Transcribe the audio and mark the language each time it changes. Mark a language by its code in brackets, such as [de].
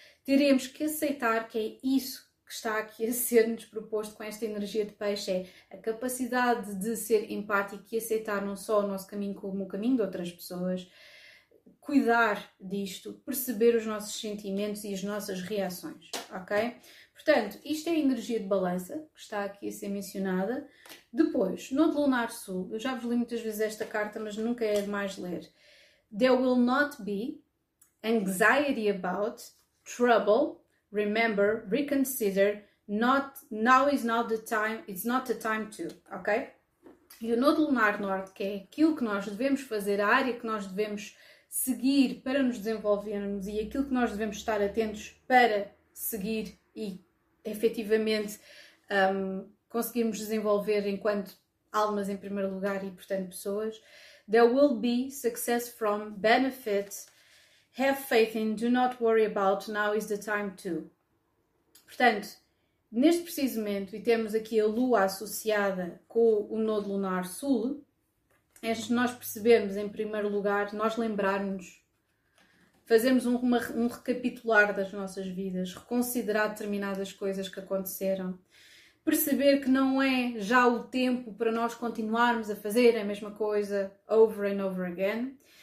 [pt] Teremos que aceitar que é isso que está aqui a ser-nos proposto com esta energia de peixe, é a capacidade de ser empático e aceitar não só o nosso caminho como o caminho de outras pessoas, cuidar disto, perceber os nossos sentimentos e as nossas reações, ok? Portanto, isto é a energia de balança que está aqui a ser mencionada. Depois, no lunar sul, eu já vos li muitas vezes esta carta, mas nunca é demais ler. [en] There will not be anxiety about trouble. Remember, reconsider, not now is not the time, it's not the time to, ok? [pt] E o Nodo Lunar Norte, que é aquilo que nós devemos fazer, a área que nós devemos seguir para nos desenvolvermos e aquilo que nós devemos estar atentos para seguir e efetivamente conseguirmos desenvolver enquanto almas em primeiro lugar e portanto pessoas. [en] There will be success from benefit. Have faith in, do not worry about, now is the time to. [pt] Portanto, neste preciso momento, e temos aqui a Lua associada com o Nodo Lunar Sul, é se nós percebermos em primeiro lugar, nós lembrarmos, fazermos um recapitular das nossas vidas, reconsiderar determinadas coisas que aconteceram, perceber que não é já o tempo para nós continuarmos a fazer a mesma coisa [en] over and over again.